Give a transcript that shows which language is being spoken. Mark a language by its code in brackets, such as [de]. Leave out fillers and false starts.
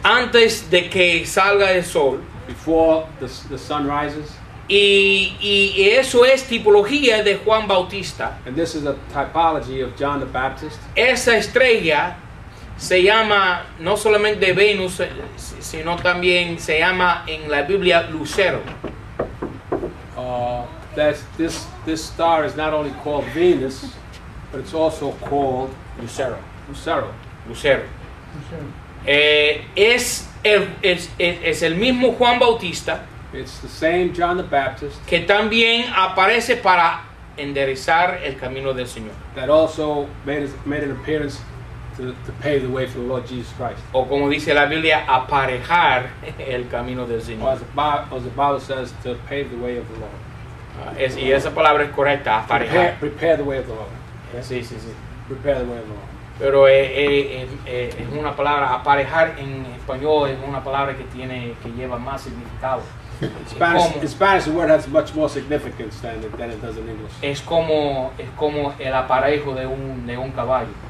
[es] Antes de que salga el sol. [en] Before the sun rises. [es] Y eso es tipología de Juan Bautista. [en] And this is a typology of John the Baptist. [es] Esa estrella se llama no solamente Venus, sino también se llama en la Biblia Lucero. [en] This star is not only called Venus, but it's also called [es] Lucero. Lucero. Lucero. Es el mismo Juan Bautista. [en] It's the same John the Baptist. [es] Que también aparece para enderezar el camino del Señor. [en] That also made an appearance. To pave the way for the Lord Jesus Christ. [es] O como dice la Biblia, aparejar el camino del Señor. [en] As the Bible says, to pave the way of the Lord. [es] Y esa palabra es correcta, aparejar. [en] Prepare the way of the Lord. [es] Sí. [en] Prepare the way of the Lord. [es] Pero es una palabra, aparejar en español es una palabra que lleva más significado. [en] In Spanish, the word has much more significance than it does in English. [es] Es como el aparejo de un caballo.